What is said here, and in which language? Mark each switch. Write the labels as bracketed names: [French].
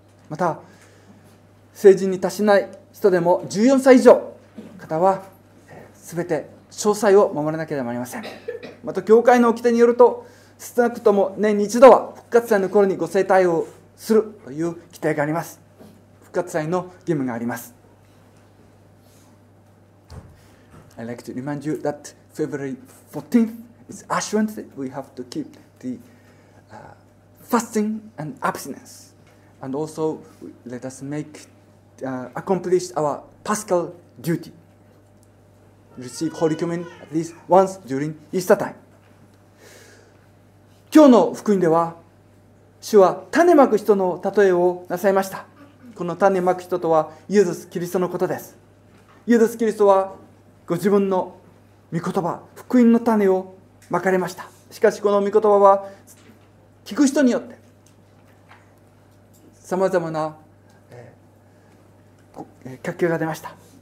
[Japanese] また成人に達しない人でも14歳以上方はすべて詳細を守らなければなりません。また教会の掟によると、少なくとも年に一度は復活祭の頃にご聖体をするという規定があります。復活祭の義務があります。 [English] I'd like to remind you that February 14th is Ash Wednesday. We have to keep the fasting and abstinence. And also let us make accomplish our Paschal duty. Receive Holy Communion at least once during Easter time. [Japanese] 今日の福音では、主は種まく人の例えをなさいました。この種まく人とはイエス・キリストのことです。イエス・キリストはご自分の御言葉、福音の種をまかれました。しかしこの御言葉は聞く人によってさまざまな活況が出ました。